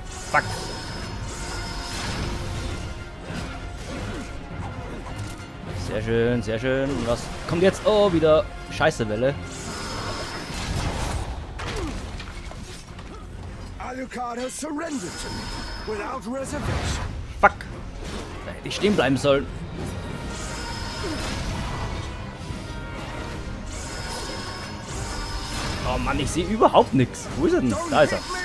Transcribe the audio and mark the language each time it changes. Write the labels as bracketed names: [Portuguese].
[English] Fuck. [German] Sehr schön, sehr schön. Was kommt jetzt? Oh, wieder scheiße Welle. [English] Alucard has surrendered to me without reservation. Fuck. [German] Da hätte ich stehen bleiben sollen. Oh Mann, ich sehe überhaupt nichts. Wo ist er denn? Da ist er.